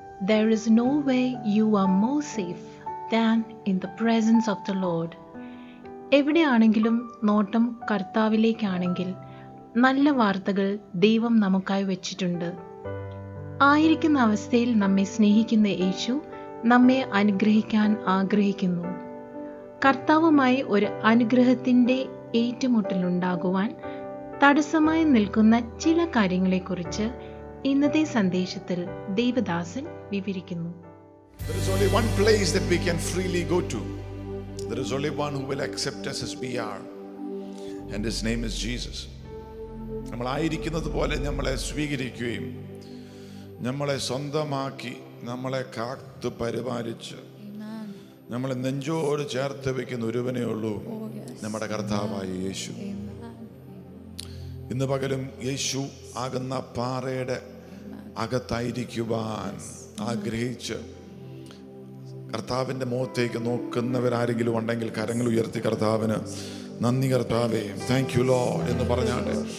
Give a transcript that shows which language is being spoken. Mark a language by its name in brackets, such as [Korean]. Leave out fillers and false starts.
[English] There is no way you are more safe than in the presence of the Lord. [Malayalam] എവിടെയാണെങ്കിലും നോട്ടം കർത്താവിലേക്കാണെങ്കിൽ നല്ല വാർത്തകൾ ദൈവം നമുക്കായി വെച്ചിട്ടുണ്ട്. ആയിരിക്കുന്ന അവസ്ഥയിൽ നമ്മെ സ്നേഹിക്കുന്ന യേശു നമ്മെ അനുഗ്രഹിക്കാൻ ആഗ്രഹിക്കുന്നു. കർത്താവുമായി ഒരു അനുഗ്രഹത്തിൻ്റെ ഏറ്റുമുട്ടലുണ്ടാകുവാൻ തടസ്സമായി നിൽക്കുന്ന ചില കാര്യങ്ങളെക്കുറിച്ച് ഇന്നത്തെ സന്ദേശത്തിൽ ദേവദാസൻ വിവരിക്കുന്നു. [English] There is only one place that we can freely go to. There is only one who will accept us as we are, and his name is Jesus. [Malayalam] നമ്മളായിരിക്കുന്നത് പോലെ നമ്മളെ സ്വീകരിക്കുകയും നമ്മളെ സ്വന്തമാക്കി നമ്മളെ കാത്തു പരിപാലിച്ച് നമ്മളെ നെഞ്ചോട് ചേർത്ത് വെക്കുന്ന ഒരുവനേ ഉള്ളൂ, നമ്മുടെ കർത്താവായ യേശു. ഇന്ന് പകലും യേശു ആകുന്ന പാറയുടെ അകത്തായിരിക്കുവാൻ ആഗ്രഹിച്ച് കർത്താവിൻ്റെ മുഖത്തേക്ക് നോക്കുന്നവരാരെങ്കിലും ഉണ്ടെങ്കിൽ കരങ്ങൾ ഉയർത്തി കർത്താവിന് നന്ദി കർത്താവേ, [English] thank you lord [Malayalam] എന്ന് പറഞ്ഞാട്ടെ.